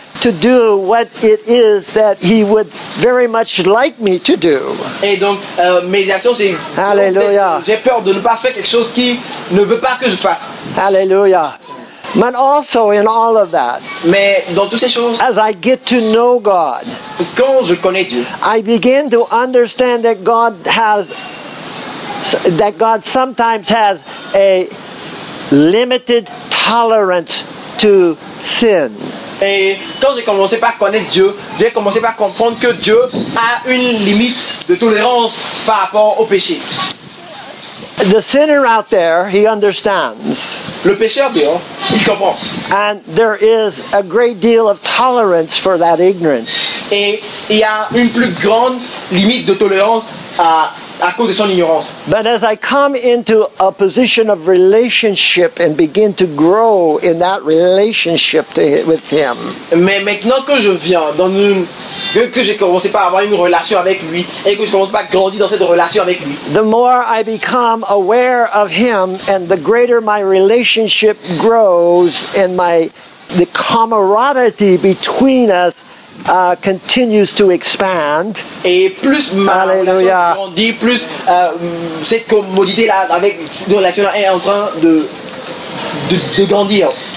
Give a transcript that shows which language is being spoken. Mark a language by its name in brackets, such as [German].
[English] to do what it is that he would very much like me to do. [French] Et donc médiation c'est [English] Hallelujah. [French] J'ai peur de ne pas faire quelque chose qui ne veut pas que je fasse. [English] Hallelujah. But also in all of that, [French] mais dans toutes ces choses, [English] as I get to know God, [French] quand je connais Dieu, [English] I begin to understand that God sometimes has a limited tolerance to sin. [French] Et quand j'ai commencé par connaître Dieu, j'ai commencé par comprendre que Dieu a une limite de tolérance par rapport au péché. [English] The sinner out there, he understands. [French] Le pécheur dehors, il comprend. [English] And there is a great deal of tolerance for that ignorance. [French] Et il y a une plus grande limite de tolérance à cause de son ignorance. [English] But as I come into a position of relationship and begin to grow in that relationship with him. [French] Mais maintenant que je viens dans une que j'ai commencé par avoir une relation avec lui et que je commence par grandir dans cette relation avec lui. [English] The more I become aware of him and the greater my relationship grows and the camaraderie between us continues to expand. [French] Et plus ma relation grandit, plus cette commodité là avec de relation est en train de grandir.